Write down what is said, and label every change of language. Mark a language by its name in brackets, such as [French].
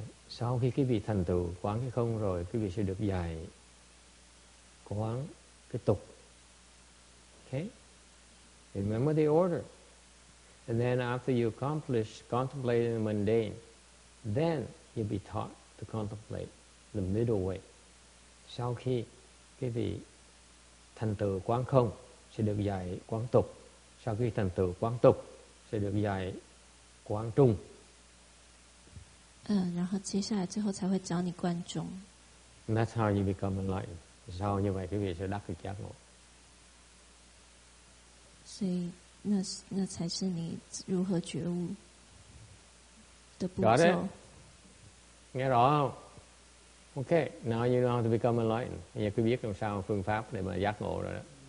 [Vietnamese] Sau khi quý vị thành tựu quán cái không rồi, quý vị sẽ được dạy quán cái tục [English] Okay? Remember the order. And then after you accomplish contemplating the mundane, then you'll be taught to contemplate the middle way. [Vietnamese] Sau khi cái vị thành tựu quán không sẽ được dạy quán tục. Sau khi thành tựu quán tục sẽ được dạy quán trung. [Chinese] 然后接下来最后才会教你观中. [English] That's how you become enlightened. [Vietnamese] Sau như vậy quý vị sẽ đắc được giác ngộ. [Chinese] 所以那才是你如何觉悟的步骤。 [Vietnamese] Nghe rõ không? [English] OK, now you know how to become enlightened. [Vietnamese] Vậy quý biết làm sao phương pháp để mà giác ngộ rồi đó.